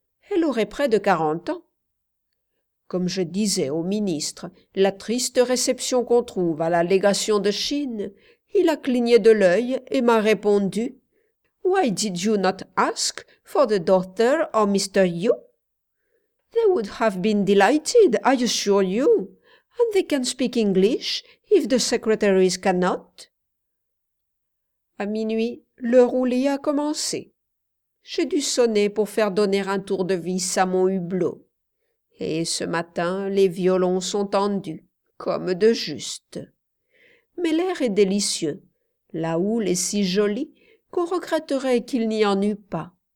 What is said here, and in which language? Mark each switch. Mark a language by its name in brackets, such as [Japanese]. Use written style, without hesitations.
[French] Elle aurait près de 40 ans. Comme je disais au ministre, la triste réception qu'on trouve à la légation de Chine, il a cligné de l'œil et m'a répondu « [English] Why did you not ask for the daughter of Mr. Yu? They would have been delighted, I assure you, and they can speak English if the secretaries cannot. » [French] À minuit, le roulis a commencé. J'ai dû sonner pour faire donner un tour de vis à mon hublot. Et ce matin, les violons sont tendus, comme de juste. Mais l'air est délicieux. La houle est si jolie qu'on regretterait qu'il n'y en eût pas.